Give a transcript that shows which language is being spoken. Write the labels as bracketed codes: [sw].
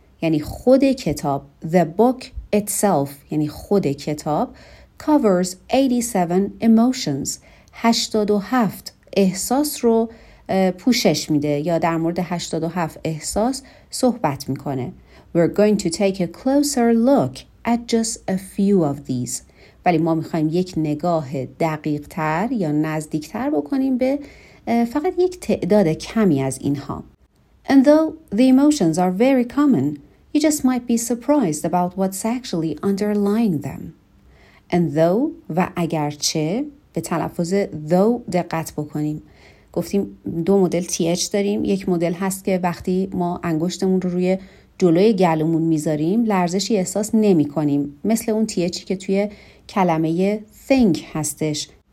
[fa] یعنی خود کتاب, [en] the book itself, [fa] یعنی خود کتاب, [en] covers 87 emotions, [fa] 87 احساس رو پوشش میده یا در مورد 87 احساس صحبت میکنه. [en] We're going to take a closer look at just a few of these. [fa] ولی ما میخواییم یک نگاه دقیق تر یا نزدیک تر بکنیم به فقط یک تعداد کمی از اینها. [en] And though the emotions are very common, you just might be surprised about what's actually underlying them. And though, [fa] و اگرچه, به تلفظ though دقت بکنیم. گفتیم دو مدل TH داریم. یک مدل هست که وقتی ما انگشتمون رو روی جلوی گلومون میذاریم لرزشی احساس نمی کنیم. مثل اون TH که توی کلمه think هستش.